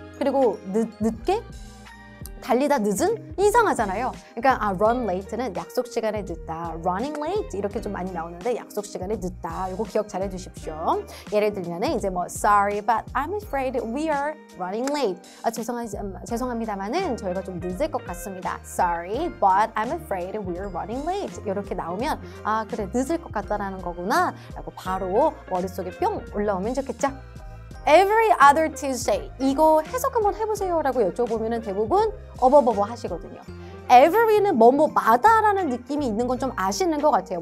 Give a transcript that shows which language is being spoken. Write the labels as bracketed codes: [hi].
[ko] 그리고 늦게? 달리다 늦은? 이상하잖아요. 그러니까 run late는 약속 시간에 늦다. [en] running late [ko] 이렇게 좀 많이 나오는데 약속 시간에 늦다. 이거 기억 잘 해주십시오. 예를 들면 이제 뭐 [en] sorry but I'm afraid we are running late. [ko] 죄송합니다만은 저희가 좀 늦을 것 같습니다. [en] sorry but I'm afraid we are running late. [ko] 이렇게 나오면 아 그래 늦을 것 같다라는 거구나 라고 바로 머릿속에 뿅 올라오면 좋겠죠. [en] Every other Tuesday [ko] 이거 해석 한번 해보세요 라고 여쭤보면 대부분 어버버버 하시거든요. Every는 뭐뭐마다 라는 느낌이 있는 건 좀 아시는 것 같아요.